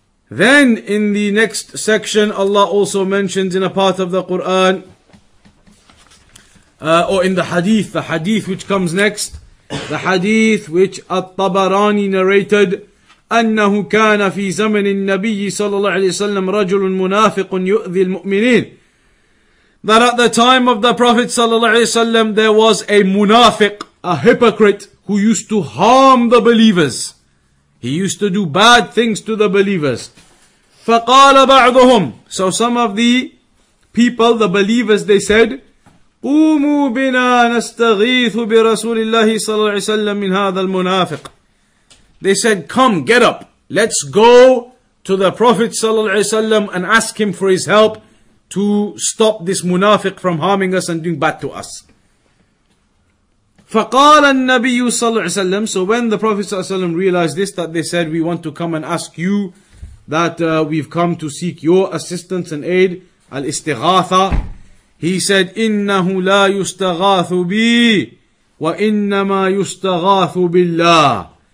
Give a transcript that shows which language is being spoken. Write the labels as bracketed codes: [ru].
[en] Then in the next section, Allah also mentions in a part of the Quran, or in the hadith which comes next, the hadith which At-Tabarani narrated, [ar] أنه كان في زمن النبي صلى الله عليه وسلم رجل منافق يؤذي المؤمنين. [en] That at the time of the Prophet صلى الله عليه وسلم, there was a munafiq, a hypocrite, who used to harm the believers. He used to do bad things to the believers. [ar] فقال بعضهم. [en] So some of the people, the believers, they said, [ar] قوموا بنا نستغيث برسول الله صلى الله عليه وسلم من هذا المنافق. [en] They said, come, get up, let's go to the Prophet ﷺ and ask him for his help to stop this munafiq from harming us and doing bad to us. [ar] فَقَالَ النَّبِيُّ صَلَّى اللَّهُ عَلَيْهِ وَسَلَّمُ. [en] So when the Prophet ﷺ realized this, that they said, we want to come and ask you, that we've come to seek your assistance and aid, al-istighatha, he said, [ar] إِنَّهُ لَا يُسْتَغَاثُ بِي وَإِنَّمَا يُسْتَغَاثُ بِاللَّهِ.